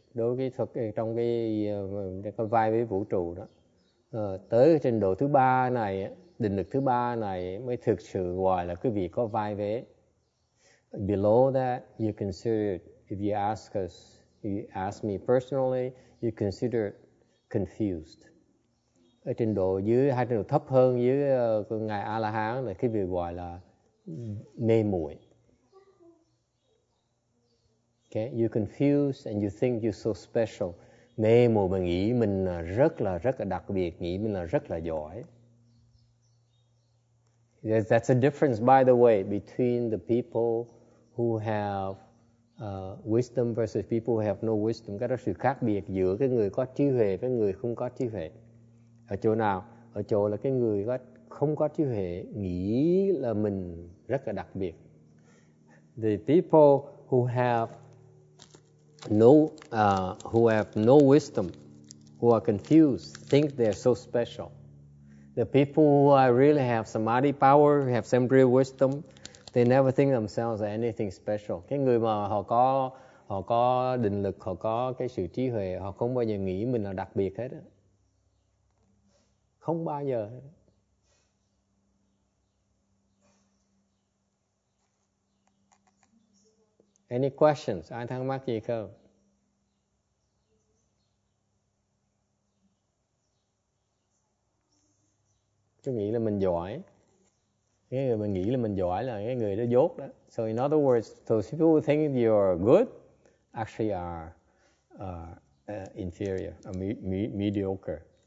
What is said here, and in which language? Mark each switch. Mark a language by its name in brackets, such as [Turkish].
[Vietnamese] Đối với thực trong cái vai với vũ trụ đó, tới trình độ thứ ba này, định lực thứ ba này mới thực sự gọi là quý vị có vai vế. [English] Below that, you considered, if you ask us, you ask me personally, you considered confused. [Vietnamese] Ở trình độ dưới, hai trình độ thấp hơn dưới ngài A La Hán là cái việc gọi là mê muội. [English] Okay, you confused and you think you're so special. [Vietnamese] Mê muội mình nghĩ mình rất là đặc biệt, nghĩ mình là rất là giỏi. [English] That's a difference, by the way, between the people who have wisdom versus people who have no wisdom. [Vietnamese] Cái đó sự khác biệt giữa cái người có trí huệ với người không có trí huệ. Ở chỗ nào? Ở chỗ là cái người không có trí huệ nghĩ là mình rất là đặc biệt. [English] The people who have no wisdom, who are confused, think they're so special. The people who really have samadhi power, have some real wisdom, they never think themselves are anything special. [Vietnamese] Cái người mà họ có định lực, họ có cái sự trí huệ, họ không bao giờ nghĩ mình là đặc biệt hết á. Không bao giờ. [English] Any questions? [Vietnamese] Ai thắc mắc gì không? Chú nghĩ là mình giỏi. Cái người mình nghĩ là mình giỏi là cái người đó dốt đó. [English] So in other words, those people who think you're good actually are inferior, mediocre.